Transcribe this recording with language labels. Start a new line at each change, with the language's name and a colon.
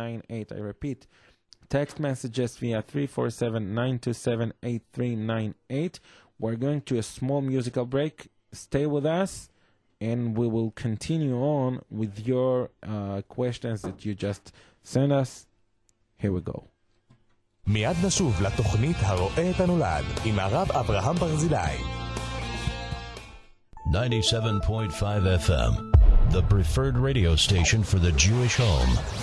English: I repeat, text messages via 347-927-8398. We're going to a small musical break. Stay with us, and we will continue on with your questions that you just sent us. Here we go.
Hebrew: מיד נשוב לתוכנית הרואה את הנולד עם הרב אברהם ברזילאי.
English: 97.5 FM, the preferred radio station for the Jewish home.